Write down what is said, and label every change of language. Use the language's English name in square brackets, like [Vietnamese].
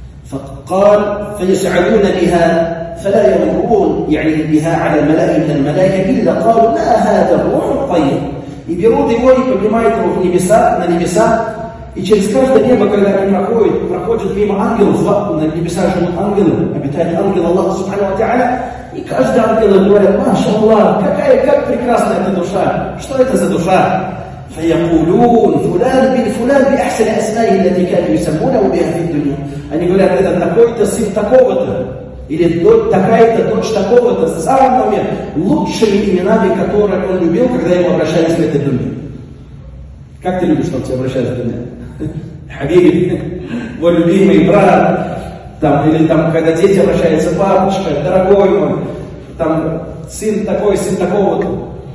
[Arabic] فقال فيسعدون بها فلا يمرون يعني بها على الملائكة من الملائكة إلا قالوا ما هذا الروح الطيب [Russian] и берут его и поднимают его в небеса, на небеса, и через каждое небо, когда они проходят мимо ангелов, на небеса живут ангелы, обитают ангелы Аллаха Субхану ва Тааля, и каждый ангел говорит, Маша Аллах, какая, как прекрасна эта душа, что это за душа? [Arabic] فيقولون فلان بن فلان بأحسن أسمائه التي كانوا يسمونه بها في الدنيا. [Russian] Они говорят, это такой-то сын такого-то, или такая-то, дочь такого-то, с самыми лучшими именами, которые он любил, когда ему обращались в этой думе. Как ты любишь, чтобы тебе обращались в думе? Хабиби, мой любимый брат, там, или там, когда дети обращаются, бабушка, дорогой мой, там, сын такой, сын такого-то.